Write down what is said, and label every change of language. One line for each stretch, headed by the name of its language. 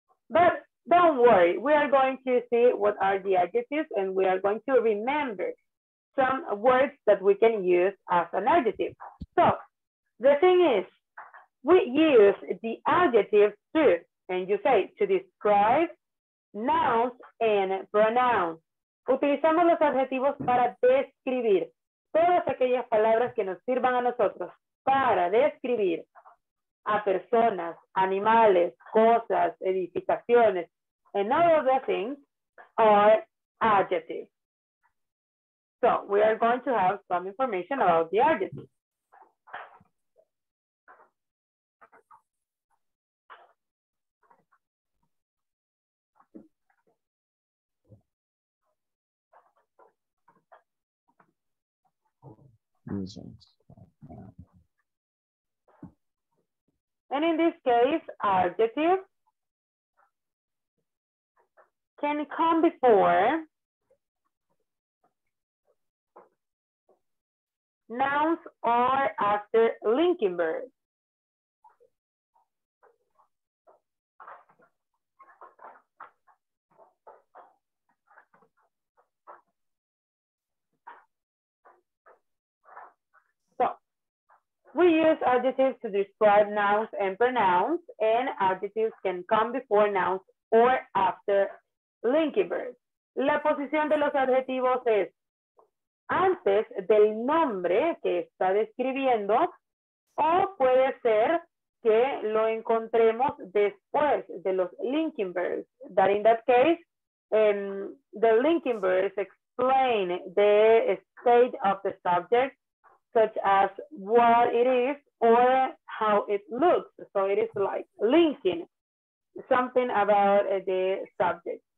English: But don't worry, we are going to see what are the adjectives and we are going to remember some words that we can use as an adjective. So the thing is, we use the adjective to, and you say to describe nouns and pronouns.
Spanish: Utilizamos los adjetivos para describir todas aquellas palabras que nos sirvan a nosotros para describir a personas, animales, cosas, edificaciones.
English: And all of the things are adjectives. So we are going to have some information about the adjectives. And in this case, adjectives can come before nouns or after linking verbs. So, we use adjectives to describe nouns and pronouns, and adjectives can come before nouns or after linking verbs.
Spanish: La posición de los adjetivos es antes del nombre que está describiendo o puede ser que lo encontremos después de los linking verbs.
English: That in that case, the linking verbs explain the state of the subject, such as what it is or how it looks. So it is like linking something about the subject.